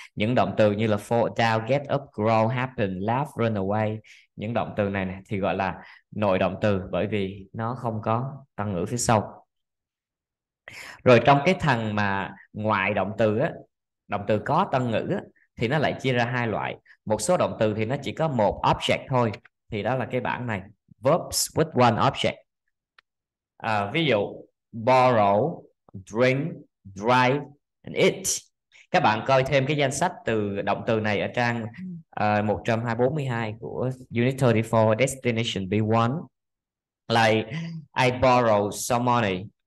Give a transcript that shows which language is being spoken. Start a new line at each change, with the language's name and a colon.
Vietnamese: Những động từ như là
English: fall down, get up, grow, happen, laugh, run away,
Vietnamese: những động từ này thì gọi là nội động từ bởi vì nó không có tân ngữ phía sau. Rồi trong cái thằng mà ngoại động từ á, động từ có tân ngữ á, thì nó lại chia ra hai loại. Một số động từ thì nó chỉ có một object thôi, thì đó là cái bảng này
English: verbs with one object.
Vietnamese: Ví dụ
English: borrow, drink, drive, and eat.
Vietnamese: Các bạn coi thêm cái danh sách từ động từ này ở trang 142 của Unit 34 Destination B1.
English: Like, I borrow some money.